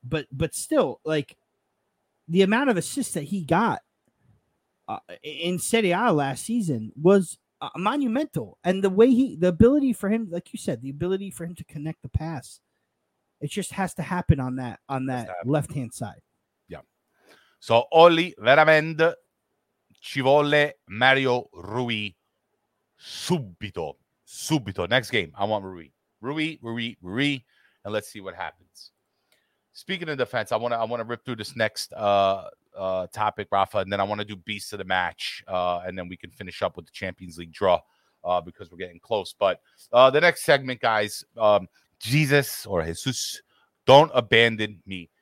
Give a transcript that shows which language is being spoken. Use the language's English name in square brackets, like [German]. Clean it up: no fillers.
[English] But still, like, the amount of assists that he got in Serie A last season was monumental, and the ability for him to connect the pass, it just has to happen on that left hand side. Yeah. [Italian] So Oliveramend, ci vuole Mario Rui subito. [English] Next game, I want Rui, and let's see what happens. Speaking of defense, I want to rip through this next topic, Rafa, and then I want to do beast of the match, and then we can finish up with the Champions League draw, because we're getting close. But the next segment, guys, Jesus, don't abandon me.